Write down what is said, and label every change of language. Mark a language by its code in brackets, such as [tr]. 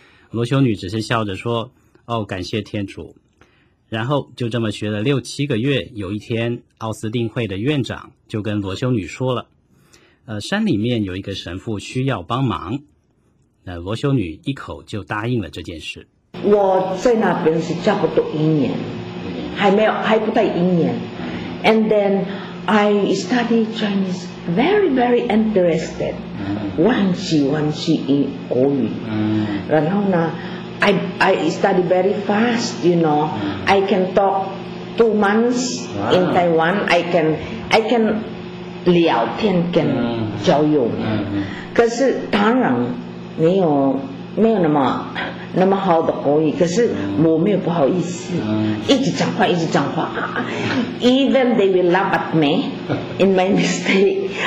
[zh] 罗修女只是笑着说，哦，感谢天主。然后就这么学了6、7个月，有一天奥斯定会的院长就跟罗修女说了，山里面有一个神父需要帮忙。那罗修女一口就答应了这件事。我在那边是差不多1年，还没有，还不太一年。 [en] And then I study Chinese very, very interested. 忘记英国语。然后呢 I study very fast, you know. I can talk 2 months in Taiwan. I can 聊天跟交友。 [zh] 可是当然没有那么好的口语，可是我没有不好意思，一直讲话，一直讲话。 [en] Even they will laugh at me in my mistake.